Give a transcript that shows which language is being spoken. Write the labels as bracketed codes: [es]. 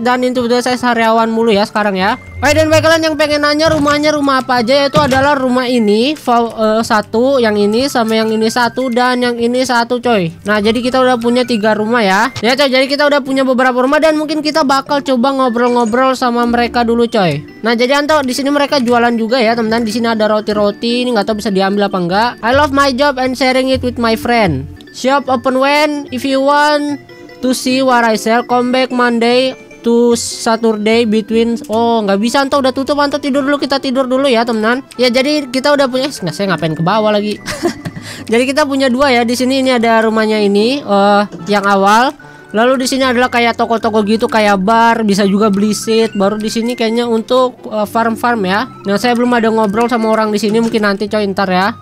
[id] Dan itu betul saya sariawan mulu ya sekarang ya. Oh ya, dan baik kalian yang pengen nanya rumahnya rumah apa aja, yaitu adalah rumah ini satu, yang ini sama yang ini satu, dan yang ini satu, coy. Nah, jadi kita udah punya 3 rumah ya. Ya coy, jadi kita udah punya beberapa rumah, dan mungkin kita bakal coba ngobrol-ngobrol sama mereka dulu, coy. Nah, jadi Anto, di sini mereka jualan juga ya, teman-teman. Di sini ada roti-roti, ini nggak tahu bisa diambil apa enggak. [en] I love my job and sharing it with my friend. Shop open when if you want to see what I sell, come back Monday to Saturday between. [id] Oh, nggak bisa Anto, udah tutup Anto, tidur dulu, kita tidur dulu ya teman-teman. Ya jadi kita udah punya, nggak saya ngapain ke bawah lagi. Jadi kita punya 2 ya di sini. Ini ada rumahnya ini yang awal. Lalu di sini adalah kayak toko-toko gitu, kayak bar, bisa juga beli seed. Baru di sini kayaknya untuk farm-farm ya. Nah, saya belum ada ngobrol sama orang di sini, mungkin nanti coy ntar ya.